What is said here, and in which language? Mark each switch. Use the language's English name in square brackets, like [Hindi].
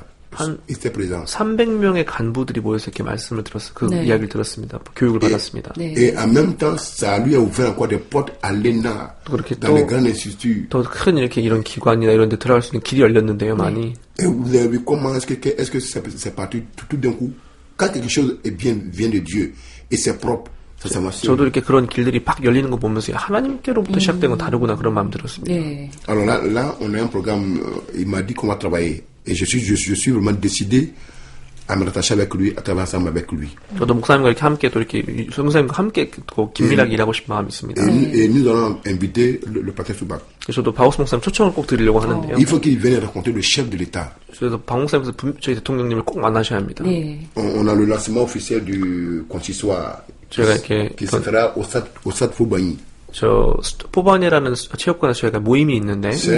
[Korean] 300명의 간부들이 모여서 이렇게 말씀을 들었어요. 그 네. 이야기를 들었습니다. 교육을 받았습니다. 네. [French] Et en même temps, ça lui a ouvert encore des portes à l'ENA. [Korean] 또 그렇게 또 큰 이렇게 이런 기관이나 이런 데 들어갈 수 있는 길이 열렸는데요, 네. 많이. [French] Et vous avez vu comment est-ce que c'est parti tout d'un coup? Quand quelque chose est bien, vient de Dieu et c'est propre, ça c'est ma soeur. [Korean] 저도 이렇게 그런 길들이 팍 열리는 거 보면서 하나님께로부터 시작된 건 다르구나 그런 마음 들었습니다. 네. [French] Alors là, on a un programme, il m'a dit qu'on va travailler. Et je suis vraiment décidé à me rattacher avec lui, à travailler ensemble avec lui. [Korean] 저도 목사님과 이렇게 함께 또 이렇게 성사님과 함께 또 긴밀하게 일하고 싶은 마음이 있습니다. [French] Et nous allons inviter le pasteur Soubac. [Korean] 저도 바오스 목사님 초청을 꼭 드리려고 하는데요. [French] Il faut qu'il vienne rencontrer le chef de l'État. [Korean] 그래서 방송사에서 저희 대통령님을 꼭 만나셔야 합니다. 네. [French] On a le lancement officiel du consistoire. [Korean] 제가 이렇게 기사들아 오사트 포바니. 저 포바니라는 체육관에 저희가 모임이 있는데.